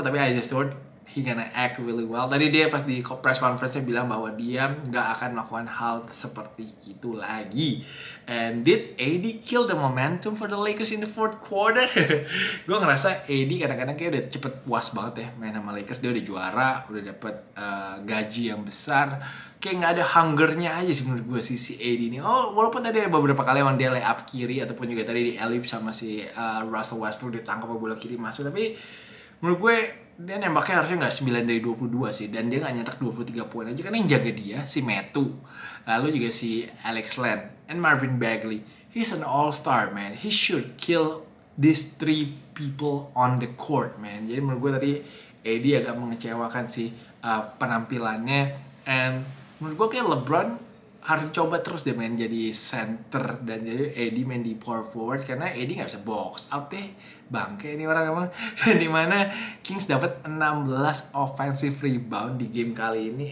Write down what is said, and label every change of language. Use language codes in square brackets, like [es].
[en] Tapi Isaiah Stewart, he gonna act really well. [id] Tadi dia pas di press conference-nya bilang bahwa dia gak akan melakukan hal seperti itu lagi. [en] And did AD kill the momentum for the Lakers in the fourth quarter? [id] Gue ngerasa AD kadang-kadang kayak udah cepet puas banget ya main sama Lakers. Dia udah juara, udah dapet gaji yang besar. Kayak gak ada hungernya aja sih menurut gue si AD ini. Oh, walaupun tadi beberapa kali emang dia lay up kiri, ataupun juga tadi di alley-oop sama si Russell Westbrook ditangkap bola kiri masuk. Tapi menurut gue dia nembaknya harusnya gak 9 dari 22 sih. Dan dia gak nyetak 23 poin aja. Karena yang jaga dia si Metu, lalu juga si Alex Len and Marvin Bagley. [en] He's an all-star man. He should kill these three people on the court man. [id] Jadi menurut gue tadi Eddie agak mengecewakan sih penampilannya. And menurut gue kayak LeBron harus coba terus deh main jadi center. Dan jadi Eddie main di power forward. Karena Eddie gak bisa box out deh. Bangke ini orang emang. Dimana Kings dapat 16 offensive rebound di game kali ini.